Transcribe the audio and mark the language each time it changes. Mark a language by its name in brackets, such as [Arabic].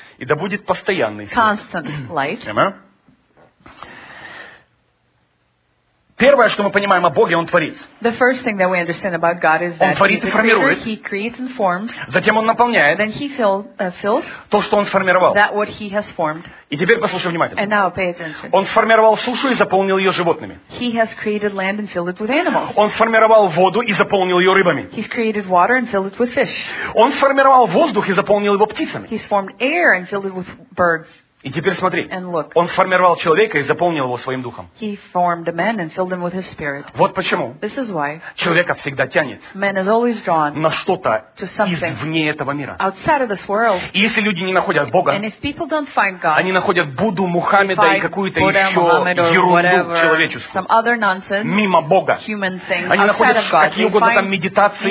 [Russian] И да будет постоянный свет. [English] Constant light. Amen? [Russian] Первое, что мы понимаем о Боге, Он творит. [English] The first thing that we understand about God is that [Russian] Он творит и формирует. [English] He creates and forms. [Russian] Затем Он наполняет. [English] Then he fills. [Russian] То, что Он сформировал. [English] That what he has formed. [Russian] И теперь послушай внимательно. [English] And now pay attention. [Russian] Он сформировал сушу и заполнил ее животными. [English] He has created land and filled it with animals. [Russian] Он сформировал воду и заполнил ее рыбами. [English] He's created water and filled it with fish. [Russian] Он сформировал воздух и заполнил его птицами. [English] He's formed air and filled it with birds. [Russian] И теперь смотри, [English] and look, [Russian] он сформировал человека и заполнил его своим духом. [English] He formed a man and filled him with his spirit. [Russian] Вот почему [English] this is why [Russian] человека всегда тянет [English] man is always drawn [Russian] на что-то извне этого мира. [English] Outside of this world. [Russian] И если люди не находят Бога, [English] and if people don't find God, [Russian] они находят Будду, Мухаммеда и какую-то еще ерунду человеческую, [English] some other nonsense, [Russian] мимо Бога, [English] human thing, [Russian] они находят какие угодно там медитации,